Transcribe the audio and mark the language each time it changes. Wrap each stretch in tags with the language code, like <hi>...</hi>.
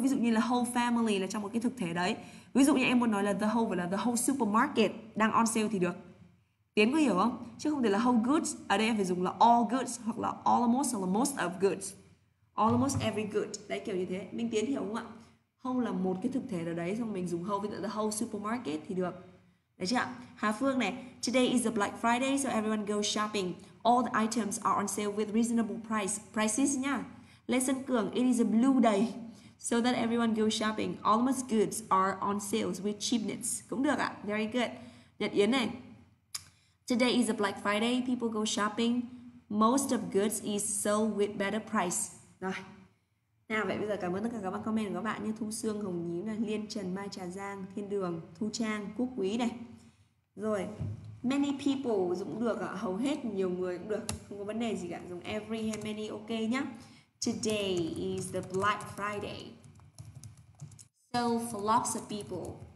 <vi>Ví dụ như là whole family là trong một cái thực thể đấy. Ví dụ như em muốn nói là the whole, phải là</vi> <en>the whole supermarket</en> <vi>đang on sale thì được. Tiến có hiểu không? Chứ không thể là whole goods. Ở đây em phải dùng là all goods hoặc là almost hoặc là most of goods. Almost every good. Đấy kiểu như thế. Minh Tiến hiểu không ạ? Whole là một cái thực thể ở đấy. Xong mình dùng whole với the whole supermarket thì được. Đấy chứ ạ? Hà Phương này.</vi> <en>Today is a Black Friday, so everyone go shopping. All the items are on sale with reasonable price. Prices nha. Lê Sơn Cường. It is a blue day, so that everyone go shopping. Almost goods are on sales with cheapness.</en> <vi>Cũng được ạ.</vi> <en>Very good. Nhật Yến này. Today is a Black Friday, people go shopping. Most of goods is sold with better price.</en> <vi>Rồi. Nào vậy bây giờ cảm ơn tất cả các bạn comment của các bạn như Thu Sương, Hồng Nhím này, Liên Trần, Mai Trà Giang, Thiên Đường, Thu Trang, Quốc Quý này. Rồi.</vi> <en>Many people</en> <vi>dùng được ạ, hầu hết nhiều người cũng được, không có vấn đề gì cả, dùng every hay many ok nhá.</vi> <en>Today is the Black Friday. So flocks of people.</en>